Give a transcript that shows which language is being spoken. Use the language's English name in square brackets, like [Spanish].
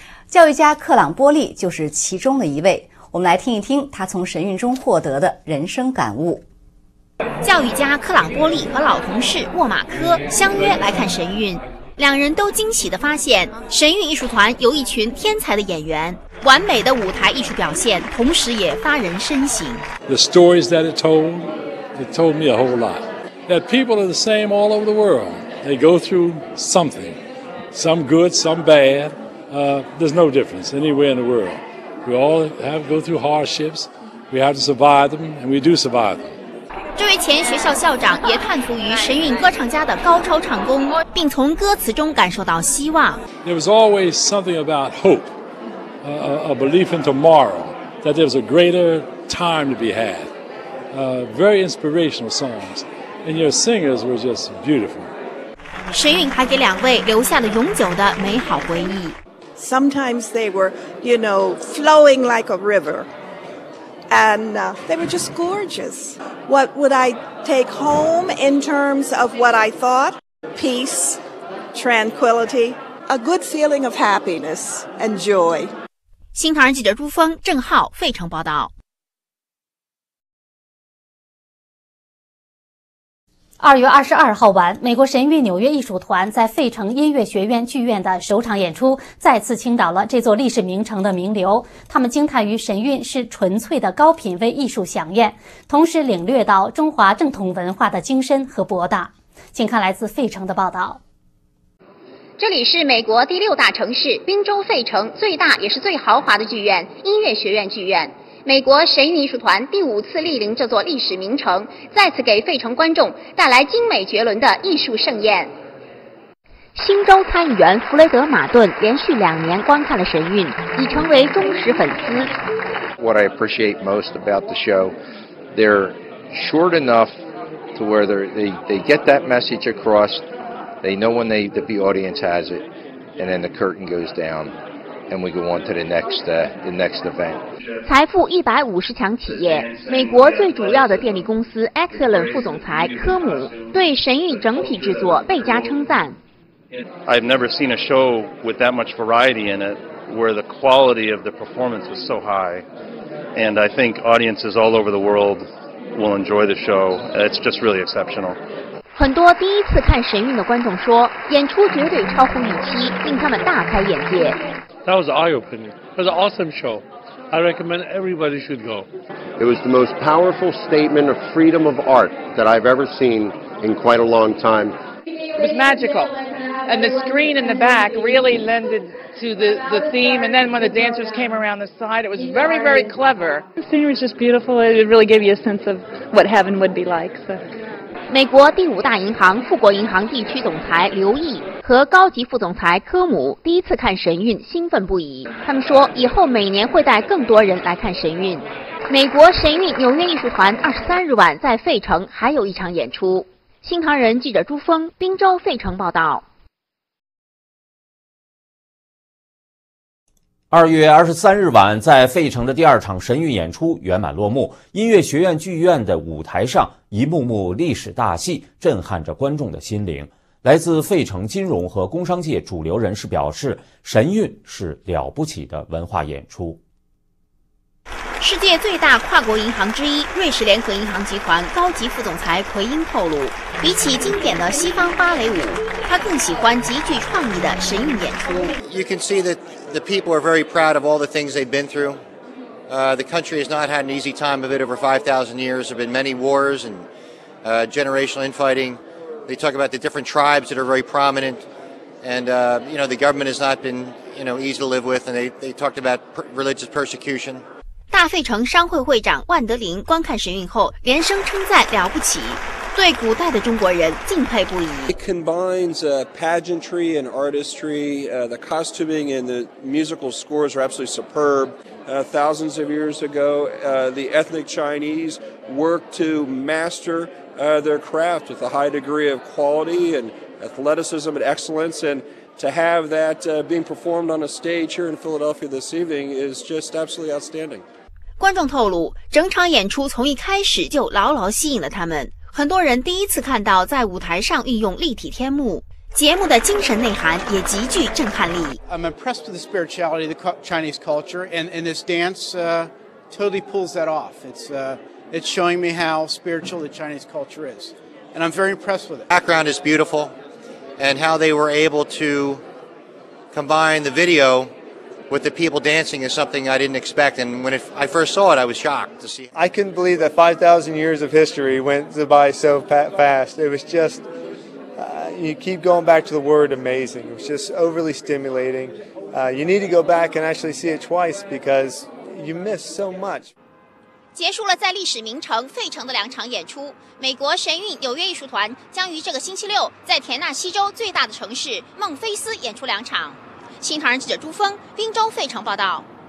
[Chinese] 教育家克朗波利就是其中的一位，我们来听一听他从神韵中获得的人生感悟。教育家克朗波利和老同事沃马科相约来看神韵，两人都惊喜地发现，神韵艺术团由一群天才的演员，完美的舞台艺术表现，同时也发人深省。 [English] The stories that it told me a whole lot. That people are the same all over the world. They go through something, some good, some bad. There's no difference anywhere in the world. We all have to go through hardships. We have to survive them, and we do survive them. [Chinese] 这位前学校校长也叹服于神韵歌唱家的高超唱功，并从歌词中感受到希望。 [English] There was always something about hope, a belief in tomorrow, that there was a greater time to be had. Very inspirational songs, and your singers were just beautiful. [Chinese] 神韵还给两位留下了永久的美好回忆。 [English] Sometimes they were, you know, flowing like a river. And they were just gorgeous. What would I take home in terms of what I thought? Peace, tranquility, a good feeling of happiness and joy. [Chinese] 新唐人记者朱峰、郑浩，费城报道。 2月22号晚，美国神韵纽约艺术团在费城音乐学院剧院的首场演出，再次倾倒了这座历史名城的名流。他们惊叹于神韵是纯粹的高品位艺术飨宴，同时领略到中华正统文化的精深和博大。请看来自费城的报道。这里是美国第六大城市宾州费城最大也是最豪华的剧院——音乐学院剧院。美国神韵艺术团第五次莅临这座历史名城，再次给费城观众带来精美绝伦的艺术盛宴。新州参议员弗雷德·马顿连续两年观看了神韵，已成为忠实粉丝。 [English] What I appreciate most about the show, they're short enough to where they get that message across. They know when the audience has it, and then the curtain goes down. And we go on to the next event. [Chinese] 财富150强企业，美国最主要的电力公司 Exelon 副总裁科姆对神韵整体制作倍加称赞。 [English] I've never seen a show with that much variety in it, where the quality of the performance was so high, and I think audiences all over the world will enjoy the show. It's just really exceptional. [Chinese] 很多第一次看神韵的观众说，演出绝对超乎预期，令他们大开眼界。 [English] That was eye-opening. It was an awesome show. I recommend everybody should go. It was the most powerful statement of freedom of art that I've ever seen in quite a long time. It was magical, and the screen in the back really lended to the theme. And then when the dancers came around the side, it was very, very clever. The scenery was just beautiful. It really gave you a sense of what heaven would be like. So. [Chinese] 美国第五大银行富国银行地区总裁刘毅和高级副总裁科姆第一次看神韵兴奋不已，他们说以后每年会带更多人来看神韵。美国神韵纽约艺术团23日晚在费城还有一场演出。新唐人记者朱峰，滨州费城报道。 2月23日晚，在费城的第二场神韵演出圆满落幕，音乐学院剧院的舞台上，一幕幕历史大戏震撼着观众的心灵。来自费城金融和工商界主流人士表示，神韵是了不起的文化演出。世界最大跨国银行之一瑞士联合银行集团高级副总裁奎因透露，比起经典的西方芭蕾舞，他更喜欢极具创意的神韵演出。 [English] You can see that the people are very proud of all the things they've been through. The country has not had an easy time of it over 5,000 years. There have been many wars and generational infighting. They talk about the different tribes that are very prominent. And, you know, the government has not been, you know, easy to live with. And they talked about religious persecution. [Chinese] 大费城商会会长万德林观看神韵后连声称赞了不起，对古代的中国人敬佩不已。 [English] It combines pageantry and artistry, the costuming and the musical scores are absolutely superb. Thousands of years ago, the ethnic Chinese worked to master their craft with a high degree of quality and athleticism and excellence, andTo have that being performed on a stage here in Philadelphia this evening is just absolutely outstanding. [Chinese] 观众透露，整场演出从一开始就牢牢吸引了他们。很多人第一次看到在舞台上运用立体天幕，节目的精神内涵也极具震撼力。 [English] I'm impressed with the spirituality of the Chinese culture, and this dance totally pulls that off. It's showing me how spiritual the Chinese culture is, and I'm very impressed with it. Background is beautiful. And how they were able to combine the video with the people dancing is something I didn't expect. And when I first saw it, I was shocked to see. I couldn't believe that 5,000 years of history went by so fast. It was just, you keep going back to the word amazing. It was just overly stimulating. You need to go back and actually see it twice because you miss so much. [Chinese] 结束了在历史名城费城的两场演出，美国神韵纽约艺术团将于这个星期六在田纳西州最大的城市孟菲斯演出两场。新唐人记者朱峰，滨州费城报道。